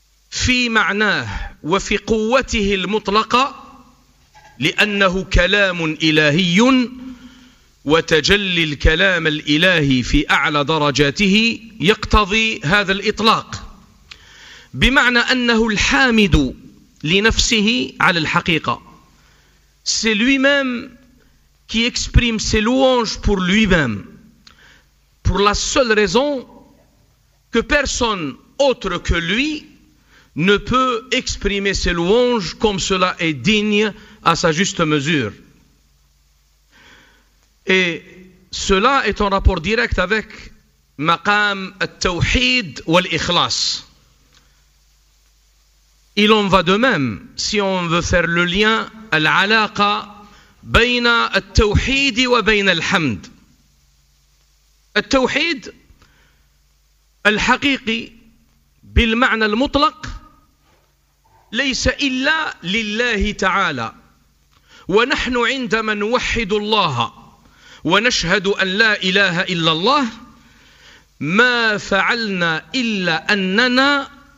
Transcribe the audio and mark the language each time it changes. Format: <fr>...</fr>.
<ar>في معناه وفي قوته المطلقة لأنه كلام إلهي وتجلي الكلام الإلهي في أعلى درجاته يقتضي هذا الإطلاق بمعنى أنه الحامد لنفسه على الحقيقة</ar> <fr>c'est lui-même qui exprime ses louanges pour lui-même pour la seule raison que personne autre que lui ne peut exprimer ses louanges comme cela est digne à sa juste mesure. Et cela est en rapport direct avec</fr> <ar>maqam al-tawhid wal-ikhlas.</ar> <fr>Il en va de même si on veut faire le lien</fr> <ar>al-alaqa bayna al-tawhid wa bayna al-hamd. Al-tawhid al-haqiqi bil-ma'na al-mutlaq ليس إلا لله تعالى ونحن عندما نوحد الله ونشهد أن لا إله إلا الله ما فعلنا إلا أننا</ar>